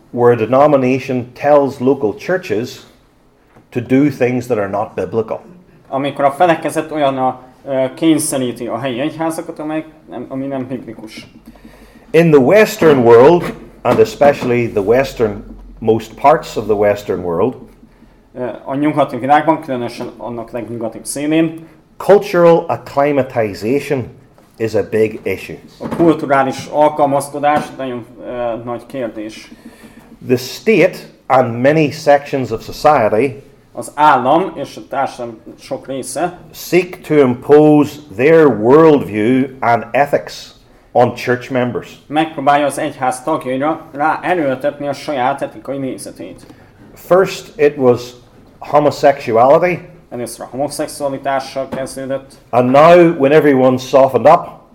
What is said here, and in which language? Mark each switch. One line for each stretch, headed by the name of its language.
English: Where a denomination tells local churches to do things that are not biblical.
Hungarian: Amikor a felekezet olyan a kényszeríti a helyi egyházakat, ami nem biblikus.
English: In the Western world, and especially the western most parts of the western world,
Hungarian: a nyugati világban, különösen annak legnyugatibb szélén,
English: cultural acclimatization is a big issue.
Hungarian: A kulturális alkalmazkodás nagyon nagy kérdés.
English: The state and many sections of society,
Hungarian: az állam és a társadalom sok része,
English: seek to impose their worldview and ethics on church members.
Hungarian: Megpróbálja az egyház tagjaira rá erőltetni a saját etikai nézetét.
English: First it was homosexuality.
Hungarian: Először a homoszexualitással kezdődött.
English: And now when everyone softened up.